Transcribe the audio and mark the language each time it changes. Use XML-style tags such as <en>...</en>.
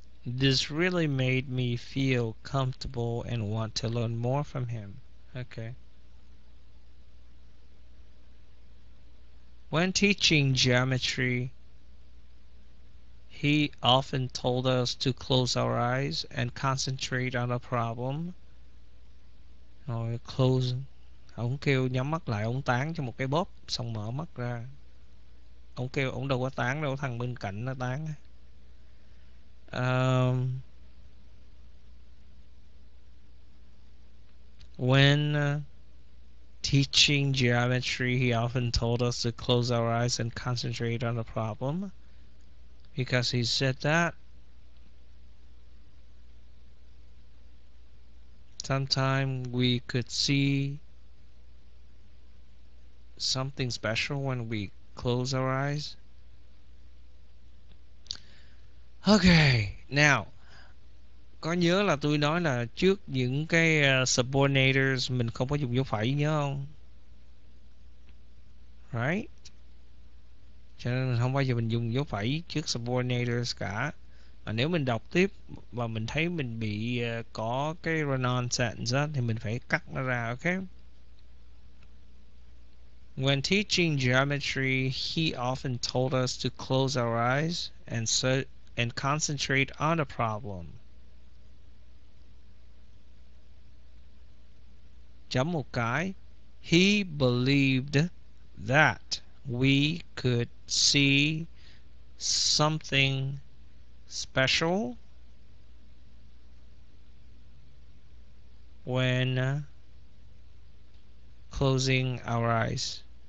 <en>This really made me feel comfortable and want to learn more from him. Okay. When teaching geometry, he often told us to close our eyes and concentrate on the problem.</en> <vi>Rồi close, ông kêu nhắm mắt lại, ông tán cho một cái bóp xong mở mắt ra. Ông kêu ông đâu có tán đâu, thằng bên cạnh nó tán.</vi> <en>When teaching geometry, he often told us to close our eyes and concentrate on the problem because he said that sometimes we could see something special when we close our eyes.</en> <vi>Okay, now có nhớ là tôi nói là trước những cái subordinators mình không có dùng dấu phẩy, nhớ không? Right? Cho nên không bao giờ mình dùng dấu phẩy trước subordinators cả. Mà nếu mình đọc tiếp và mình thấy mình bị có cái run-on sentence đó, thì mình phải cắt nó ra, ok?</vi> <en>When teaching geometry, he often told us to close our eyes and concentrate on the problem.</en> <vi>Chấm một cái.</vi> <en>He believed that we could see something special when closing our eyes.</en>